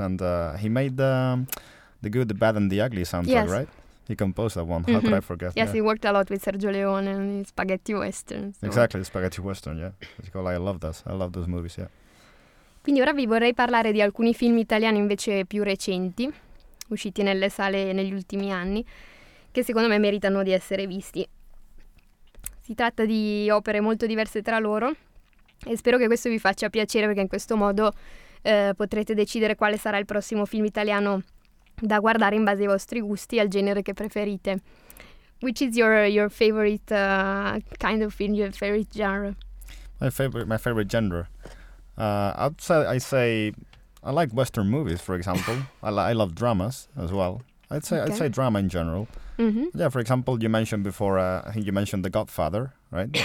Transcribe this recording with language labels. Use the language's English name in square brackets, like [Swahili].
[English] And he made the Good, the Bad and the Ugly soundtrack, yes. Right? He composed that one. Mm-hmm. How could I forget? Yes, he worked a lot with Sergio Leone and Spaghetti Western. So. Exactly, Spaghetti Western, yeah. It's called, I love those. I love those movies, yeah. [Italian] Quindi ora vi vorrei parlare di alcuni film italiani invece più recenti, usciti nelle sale negli ultimi anni, che secondo me meritano di essere visti. Si tratta di opere molto diverse tra loro e spero che questo vi faccia piacere, perché in questo modo potrete decidere quale sarà il prossimo film italiano da guardare in base ai vostri gusti e al genere che preferite. [English] Which is your favorite kind of film, your favorite genre? My favorite genre? I'd say I like Western movies, for example. I love dramas as well. I'd say drama in general. Mm-hmm. Yeah, for example, you mentioned before, I think you mentioned The Godfather, right?